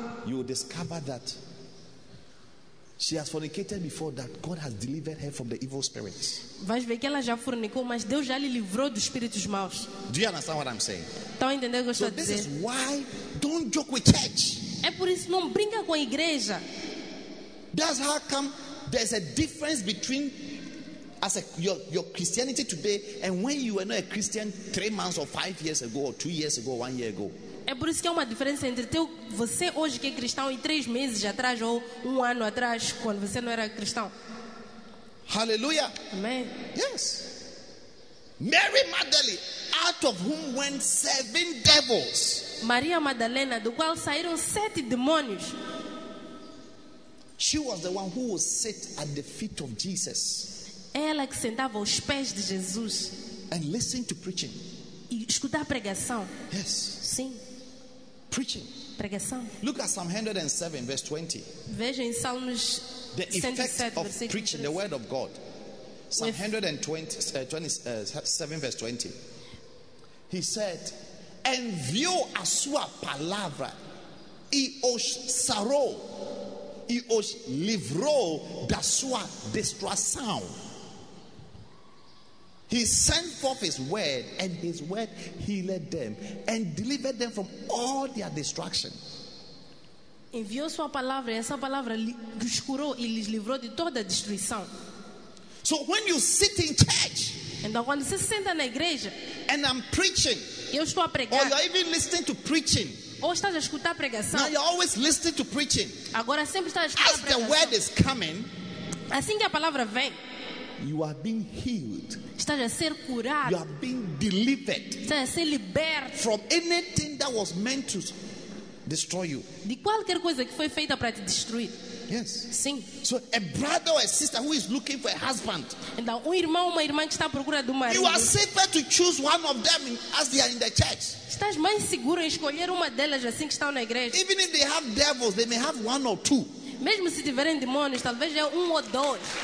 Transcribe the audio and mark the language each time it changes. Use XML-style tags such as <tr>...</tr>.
<en>you will discover that she has fornicated before, that God has delivered her from the evil spirits.</en> <pt>Vais ver que ela já fornicou, mas Deus já lhe livrou dos espíritos maus.</pt> <en>Do you understand what I'm saying?</en> <pt>Estão a entender o que eu estou a dizer?</pt> <en>So this is why don't joke with church.</en> <pt>É por isso não brinca com a igreja.</pt> <en>That's how come there's a difference between as a, your Christianity today and when you were not a Christian 3 months or 5 years ago or 2 years ago or 1 year ago.</en> <pt>É por isso que há uma diferença entre teu, você hoje que é cristão e 3 meses atrás ou 1 ano atrás quando você não era cristão.</pt> <en>Hallelujah.</en> <pt>Amém.</pt> <en>Yes. Mary Magdalene, out of whom went seven devils.</en> <pt>Maria Madalena, do qual saíram sete demônios.</pt> <en>She was the one who would sit at the feet of Jesus.</en> <pt>Ela que sentava aos pés de Jesus.</pt> <en>And listen to preaching.</en> <pt>E escutar a pregação.</pt> <en>Yes.</en> <pt>Sim.</pt> <en>Preaching.</en> <pt>Pregação.</pt> <en>Look at Psalm 107, verse 20.</en> <pt>Veja em Salmos</pt> <en>the 107, effect of preaching the word of God. Psalm 27, verse 20. He said,</en> <pt>envio a sua palavra e os sarou e os livrou da sua destruição.</pt> <en>He sent forth his word, and his word healed them and delivered them from all their destruction.</en> <pt>Enviou sua palavra, essa palavra os curou e lhes livrou de toda a destruição.</pt> <en>So when you sit in church,</en> <pt>então quando você se senta na igreja,</pt> <en>and I'm preaching,</en> <pt>eu estou a pregar,</pt> <en>or you're even listening to preaching,</en> <pt>ou estás a escutar a pregação,</pt> <en>now you're always listening to preaching.</en> <pt>Agora sempre estás a escutar</pt> <en>as</en> <pt>a pregação.</pt> <en>The word is coming,</en> <pt>assim que a palavra vem,</pt> <en>you are being healed.</en> <pt>Estás a ser curado.</pt> <en>You are being delivered.</en> <pt>Estás a ser liberto.</pt> <en>From anything that was meant to destroy you.</en> <pt>De qualquer coisa que foi feita para te destruir.</pt> <en>Yes.</en> <pt>Sim.</pt> <en>So a brother or a sister who is looking for a husband.</en> <pt>Então irmão ou uma irmã que está à procura de um marido.</pt> <en>You are safer to choose one of them as they are in the church.</en> <pt>Estás mais seguro em escolher uma delas assim que estão na igreja.</pt> <en>Even if they have devils, they may have one or two.</en> <pt>Mesmo se tiverem demônios, talvez é um ou dois.</pt>